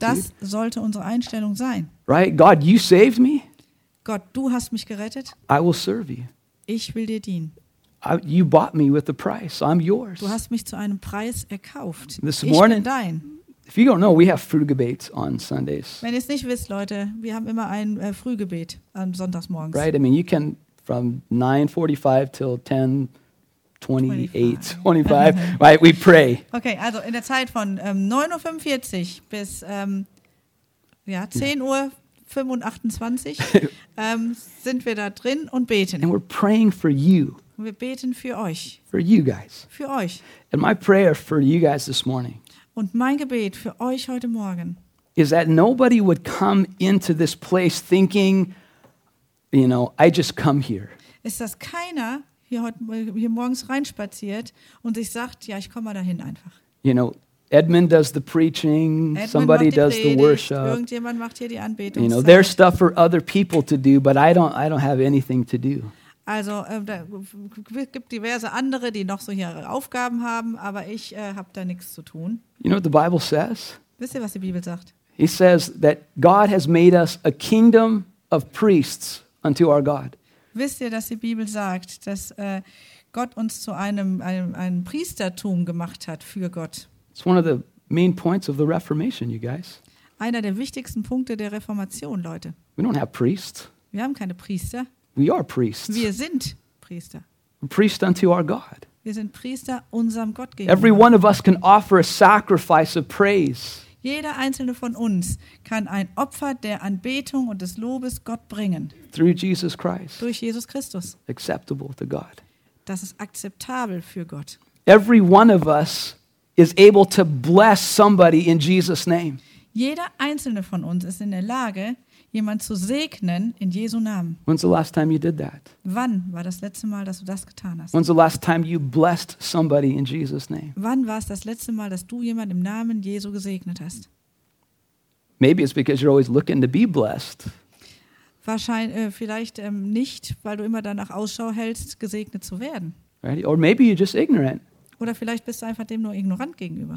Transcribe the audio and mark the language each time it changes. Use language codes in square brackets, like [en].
[de] Das sollte unsere Einstellung sein. [en] Right? God, you saved me. [de] Gott, du hast mich gerettet. [en] I will serve you. [de] Ich will dir dienen. [en] You bought me with the price. I'm yours. [de] Du hast mich zu einem Preis erkauft. [en] This [de] ich [en] morning, [de] bin dein. [en] If you don't know, we have Frühgebet on Sundays. [de] Wenn ihr es nicht wisst, Leute, wir haben immer ein Frühgebet am Sonntagsmorgens. [en] Right, I mean, you can from 9:45 till 10:28, 25, right, we pray. [de] Okay, also in der Zeit von 9:45 bis 10:25 sind wir da drin und beten. [en] And we're praying for you. [de] Und wir beten für euch. [en] For you guys. [de] Für euch. [en] And my prayer for you guys this morning. [de] Und mein Gebet für euch heute Morgen [en] is that nobody would come into this place thinking, you know, I just come here. [de] Ist, dass keiner hier morgens reinspaziert und sich sagt, ja, ich komme mal dahin einfach. [en] You know, Edmund does the preaching, [de] Edmund [en] somebody [de] macht die [en] does [de] Predigt, [en] the worship. [de] Irgendjemand macht hier die Anbetung. [en] You know, there's stuff for other people to do, but I don't have anything to do. [de] Also, da gibt diverse andere, die noch so ihre Aufgaben haben, aber ich habe da nichts zu tun. [en] You know what the Bible says? [de] Wisst ihr, was die Bibel sagt? [en] He says that God has made us a kingdom of priests unto our God. [de] Wisst ihr, dass die Bibel sagt, dass Gott uns zu einem Priestertum gemacht hat für Gott? [en] It's one of the main points of the Reformation, you guys. [de] Einer der wichtigsten Punkte der Reformation, Leute. [en] We don't have priests. [de] Wir haben keine Priester. [en] We are priests. [de] Wir sind Priester. [en] Priest unto our God. [de] Wir sind Priester unserem Gott gegenüber. [en] Every one of us can offer a sacrifice of praise. [de] Jeder einzelne von uns kann ein Opfer der Anbetung und des Lobes Gott bringen. [en] Through Jesus Christ. [de] Durch Jesus Christus. [en] Acceptable to God. [de] Das ist akzeptabel für Gott. [en] Every one of us is able to bless somebody in Jesus' name. [de] Jeder einzelne von uns ist in der Lage, jemand zu segnen in Jesu Namen. [en] When's the last time you did that? [de] Wann war das letzte Mal, dass du das getan hast? [en] When's the last time you blessed somebody in Jesus' name? [de] Wann war es das letzte Mal, dass du jemand im Namen Jesu gesegnet hast? [en] Maybe it's because you're always looking to be blessed. [de] Wahrscheinlich vielleicht nicht, weil du immer danach Ausschau hältst, gesegnet zu werden. [en] Right? Or maybe you're just ignorant. [de] Oder vielleicht bist du einfach dem nur ignorant gegenüber.